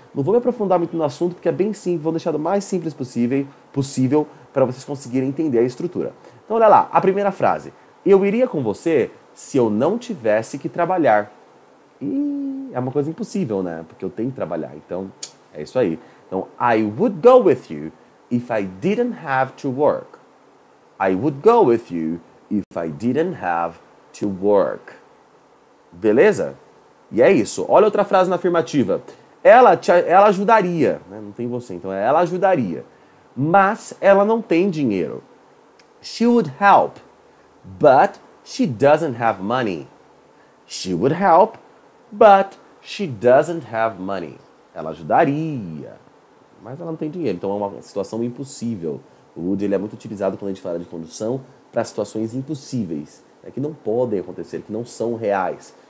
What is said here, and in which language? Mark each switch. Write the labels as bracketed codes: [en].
[pt] Não vou me aprofundar muito no assunto porque é bem simples, vou deixar do mais simples possível para vocês conseguirem entender a estrutura. Então, olha lá, a primeira frase. Eu iria com você se eu não tivesse que trabalhar. E é uma coisa impossível, né? Porque eu tenho que trabalhar. Então, é isso aí. [en] Então, I would go with you if I didn't have to work. I would go with you if I didn't have to work. [pt] Beleza? E é isso. Olha outra frase na afirmativa. Ela ajudaria, né? Não tem você, então ela ajudaria. Mas ela não tem dinheiro. [en] She would help, but she doesn't have money. She would help, but she doesn't have money. [pt] Ela ajudaria, mas ela não tem dinheiro. Então é uma situação impossível. O would, ele é muito utilizado quando a gente fala de condução para situações impossíveis, né, que não podem acontecer, que não são reais.